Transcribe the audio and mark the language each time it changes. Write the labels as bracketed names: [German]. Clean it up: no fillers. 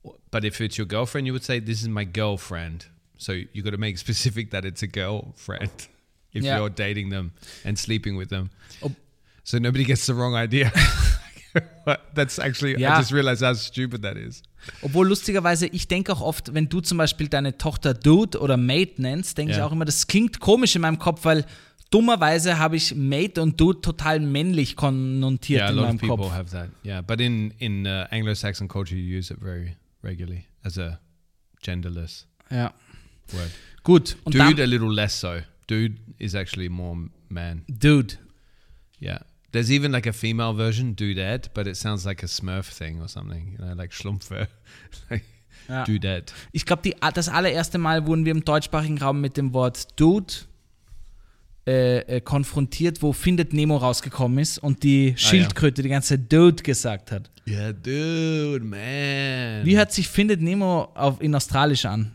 [English] But if it's your girlfriend, you would say this is my girlfriend. So you got to make specific that it's a girlfriend if yeah, you're dating them and sleeping with them. Oh. So nobody gets the wrong idea. That's actually, yeah. I just realized how stupid that is. [German] Obwohl, lustigerweise, ich denke auch oft, wenn du zum Beispiel deine Tochter Dude oder Mate nennst, denke ich auch immer, das klingt komisch in meinem Kopf, weil dummerweise habe ich Mate und Dude total männlich konnotiert in meinem Kopf. [English] Yeah, a lot of people have that. Yeah, but in Anglo-Saxon culture, you use it very regularly as a genderless word. [German] Gut. Und Dude dann, [English] a little less so. Dude is actually more man. Dude. Yeah. There's even like a female version, dudette, but it sounds like a Smurf thing or something, you know, like Schlumpfe. Like, ja. Dudette. [German] Ich glaube, das allererste Mal wurden wir im deutschsprachigen Raum mit dem Wort Dude konfrontiert, wo Findet Nemo rausgekommen ist und die Schildkröte die ganze Zeit Dude gesagt hat. [English] Yeah, dude, man. [German] Wie hört sich Findet Nemo in Australisch an?